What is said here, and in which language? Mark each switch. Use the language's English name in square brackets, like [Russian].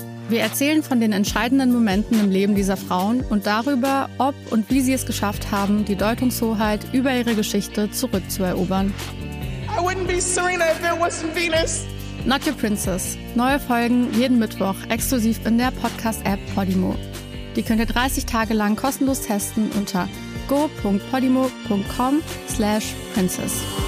[German] Wir erzählen von den entscheidenden Momenten im Leben dieser Frauen und darüber, ob und wie sie es geschafft haben, die Deutungshoheit über ihre Geschichte zurückzuerobern. [English] I wouldn't be Serena if there wasn't Venus. Not Your Princess. [German] Neue Folgen jeden Mittwoch exklusiv in der Podcast-App Podimo. Die könnt ihr 30 Tage lang kostenlos testen unter go.podimo.com/princess.